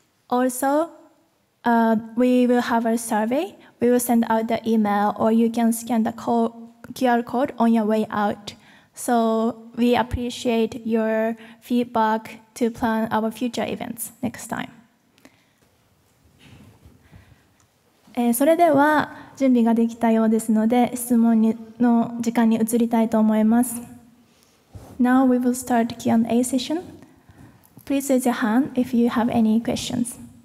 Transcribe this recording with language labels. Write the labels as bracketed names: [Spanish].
[English] Also, we will have a survey. We will send out the email, or you can scan the QR code on your way out. So we appreciate your feedback to plan our future events next time. [Japanese] それでは準備ができたようですので、質問の時間に移りたいと思います。 [English] Now we will start Q&A session. Please raise your hand if you have any questions.